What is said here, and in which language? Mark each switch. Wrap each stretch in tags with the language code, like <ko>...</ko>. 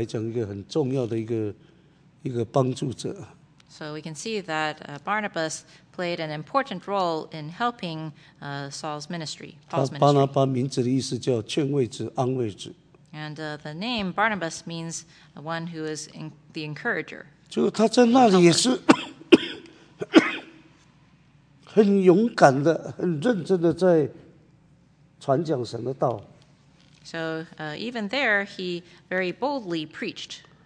<zh>这个巴拿巴这个人呢，对保罗的人生的这个福音工作来讲，一个很重要的一个帮助者。</zh> <en>So we can see that Barnabas played an important role in helping Saul's ministry.</en> <zh>巴拿巴名字的意思叫劝慰者、安慰者。</zh> <en>And the name Barnabas means one who is the encourager.</en> <zh>就他在那里也是很勇敢的、很认真的在传讲神的道。</zh> <en>So even there, he very boldly preached.</en>